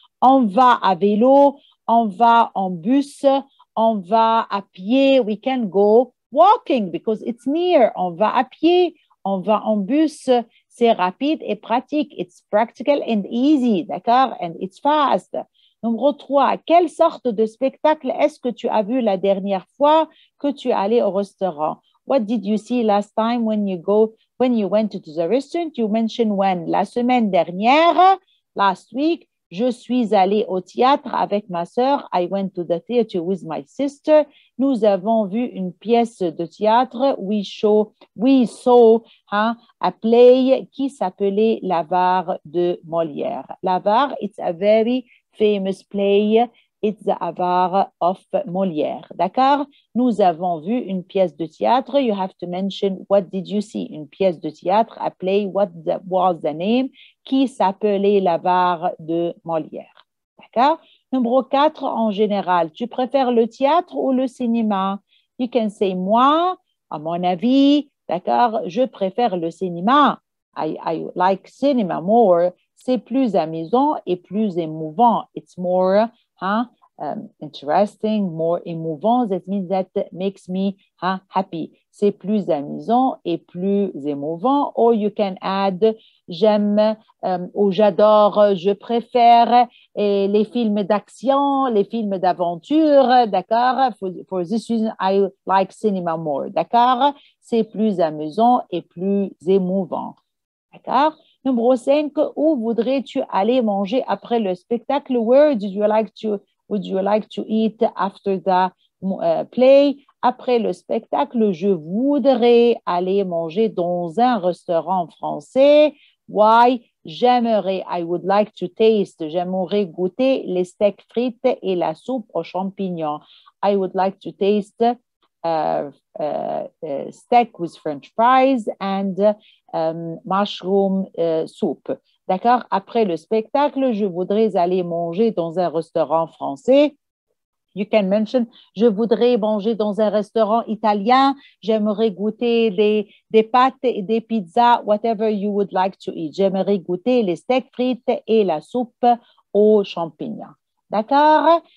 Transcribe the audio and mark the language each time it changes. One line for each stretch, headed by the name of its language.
French: On va à vélo, on va en bus, on va à pied,
English: we can go walking because it's near.
French: On va à pied, on va en bus, c'est rapide et pratique.
English: It's practical and easy,
French: d'accord?
English: And it's fast.
French: Numéro 3, quelle sorte de spectacle est-ce que tu as vu la dernière fois que tu es allé au restaurant?
English: What did you see last time when you went to the restaurant? You mentioned when?
French: La semaine dernière,
English: last week,
French: je suis allée au théâtre avec ma sœur.
English: I went to the theater with my sister.
French: Nous avons vu une pièce de théâtre.
English: We saw a play
French: qui s'appelait
English: L'avare de Molière. L'avare, it's a very famous play, it's the Avare of Molière. D'accord?
French: Nous avons vu une pièce de théâtre.
English: You have to mention what did you see?
French: Une pièce de théâtre,
English: a play, what was the name?
French: Qui s'appelait L'Avare de Molière. D'accord? Numéro 4, en général, tu préfères le théâtre ou le cinéma?
English: You can say,
French: moi, à mon avis,
English: d'accord?
French: Je préfère le cinéma.
English: I like cinema more.
French: C'est plus amusant et plus émouvant.
English: It's more, interesting, more
French: émouvant.
English: That means that makes me, happy.
French: C'est plus amusant et plus émouvant.
English: Or you can add,
French: j'aime, ou j'adore, je préfère et les films d'action, les films d'aventure, d'accord?
English: For this reason, I like cinema more, d'accord?
French: C'est plus amusant et plus émouvant, d'accord? Numéro 5, où voudrais-tu aller manger après le spectacle?
English: Where would you like to eat after the play?
French: Après le spectacle, je voudrais aller manger dans un restaurant français.
English: Why?
French: J'aimerais,
English: I would like to taste,
French: j'aimerais goûter les steaks frites et la soupe aux champignons.
English: I would like to taste steak with French fries and mushroom soup.
French: D'accord? Après le spectacle, je voudrais aller manger dans un restaurant français.
English: You can mention,
French: je voudrais manger dans un restaurant italien. J'aimerais goûter des pâtes et des pizzas,
English: whatever you would like to eat.
French: J'aimerais goûter les steaks frites et la soupe aux champignons. D'accord?